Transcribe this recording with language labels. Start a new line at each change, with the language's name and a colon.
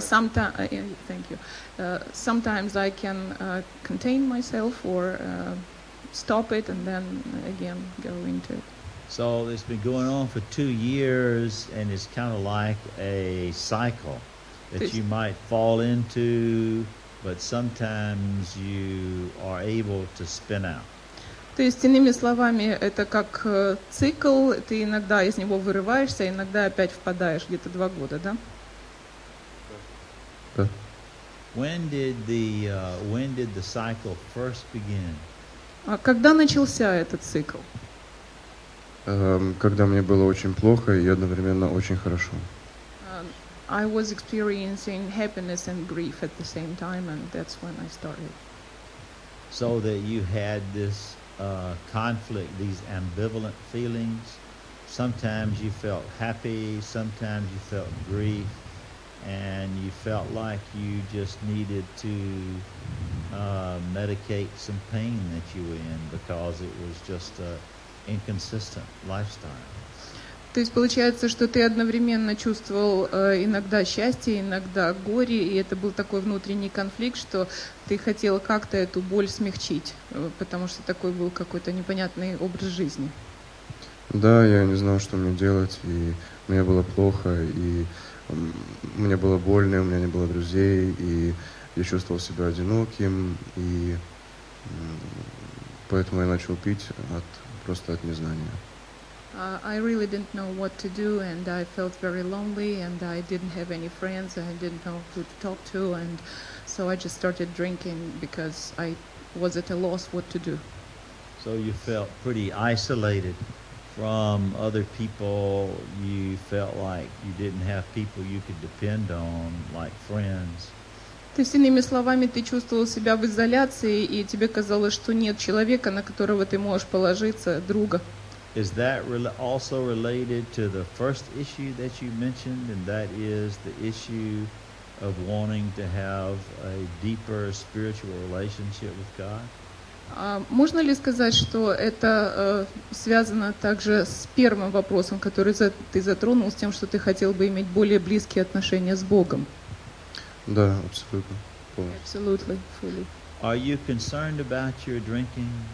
English: Sometimes I can contain myself or stop it and then again go into it. So it's been going on for 2 years and it's kind of like a cycle that you might fall into, but sometimes you are able to spin out.
Russian: То есть, иными словами, это как цикл, ты иногда из него вырываешься, иногда опять впадаешь, где-то 2 года, да?
English: When did the cycle first begin?
Russian: Когда начался этот цикл? Когда мне было очень плохо и одновременно очень хорошо.
English: I was experiencing happiness and grief at the same time, and that's when I started. So that you had this conflict, these ambivalent feelings. Sometimes you felt happy, sometimes you felt grief. And you felt like you just needed to medicate some pain that you were in because it was just an inconsistent lifestyle.
Russian: То есть получается, что ты одновременно чувствовал иногда счастье, иногда горе, и это был такой внутренний конфликт, что ты хотел как-то эту боль смягчить, потому что такой был какой-то непонятный образ жизни. Да, я не знал, что мне делать, и мне было плохо, и... Мне было больно, у меня не было друзей, и я чувствовал себя одиноким, и поэтому я начал пить просто от незнания.
English: I really didn't know what to do, and I felt very lonely, and I didn't have any friends, and I didn't know who to talk to, and so I just started drinking because I was at a loss what to do. So you felt pretty isolated. From other people, you felt like you didn't have people you could depend on, like friends.
Russian: То есть, иными словами, ты чувствовал себя в изоляции, и тебе казалось, что нет человека, на которого ты можешь положиться, друга.
English: Is that also related to the first issue that you mentioned, and that is the issue of wanting to have a deeper spiritual relationship with God?
Russian: Можно ли сказать, что это связано также с первым вопросом, который ты затронул, с тем, что ты хотел бы иметь более близкие отношения с Богом? Да, абсолютно.
English: Absolutely, fully. Are you concerned about your drinking?